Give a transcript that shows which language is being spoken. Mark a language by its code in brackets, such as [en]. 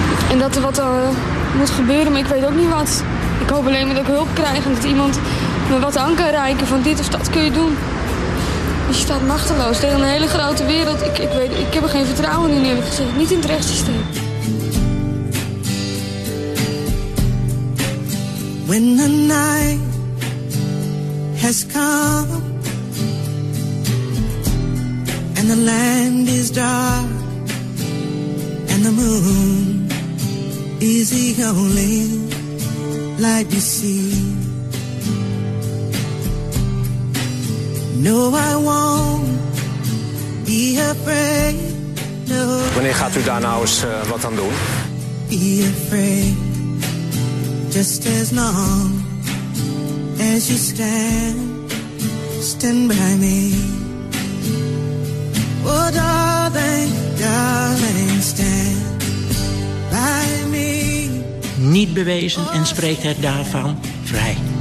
[nl] En dat er wat moet gebeuren, maar ik weet ook niet wat. Ik hoop alleen maar dat ik hulp krijg en dat iemand me wat aan kan reiken van dit of dat kun je doen. Je staat machteloos tegen een hele grote wereld. Ik heb er geen vertrouwen in, eerlijk gezegd. Niet in het rechtssysteem. [en] When the night has come and the land is dark and the moon is the only light you see. No, I won't be afraid. No. [nl] Wanneer gaat u daar nou eens wat aan doen? [en] Be afraid, just as long as you stand, stand by me. Oh, darling, darling, stand by me. [nl] Niet bewezen en spreekt hij daarvan vrij.